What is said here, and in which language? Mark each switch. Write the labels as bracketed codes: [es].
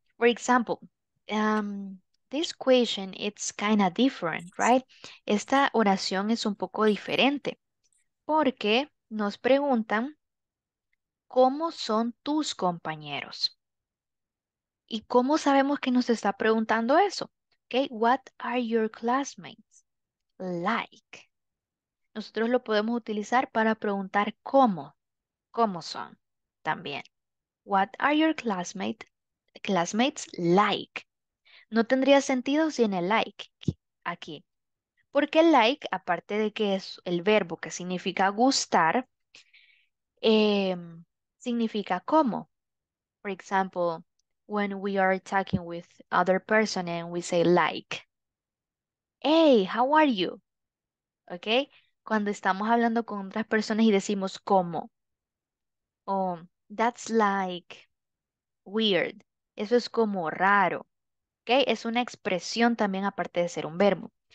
[en] For example, this question, it's kind of different, right? [es] Esta oración es un poco diferente porque nos preguntan ¿cómo son tus compañeros? ¿Y cómo sabemos que nos está preguntando eso? [en] Okay, what are your classmates like? [es] Nosotros lo podemos utilizar para preguntar cómo son también. [en] What are your classmates like? [es] No tendría sentido sin el like aquí. Porque el like, aparte de que es el verbo que significa gustar, significa cómo. [en] For example, when we are talking with other person and we say like, hey, how are you? Okay? [es] Cuando estamos hablando con otras personas y decimos cómo. [en] Oh, that's like weird. [es] Eso es como raro. Okay, es una expresión también aparte de ser un verbo.